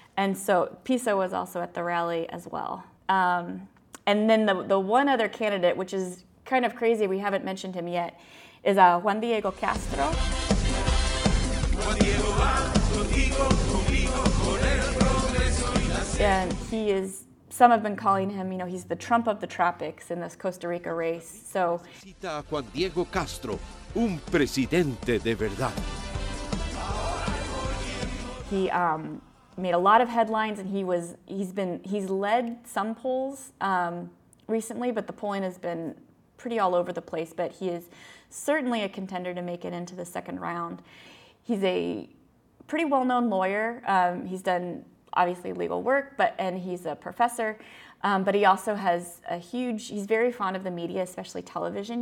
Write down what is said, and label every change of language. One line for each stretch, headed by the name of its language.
English: And so Pisa was also at the rally as well. And then the one other candidate, which is kind of crazy, we haven't mentioned him yet, is Juan Diego Castro. And he is... Some have been calling him, you know, he's the Trump of the tropics in this Costa Rica race.
Spanish: So, necesita a Juan Diego Castro, un presidente de verdad.
English: He made a lot of headlines, and he's led some polls recently, but the polling has been pretty all over the place. But he is certainly a contender to make it into the second round. He's a pretty well-known lawyer. He's done obviously legal work, and he's a professor, but he also has he's very fond of the media, especially television.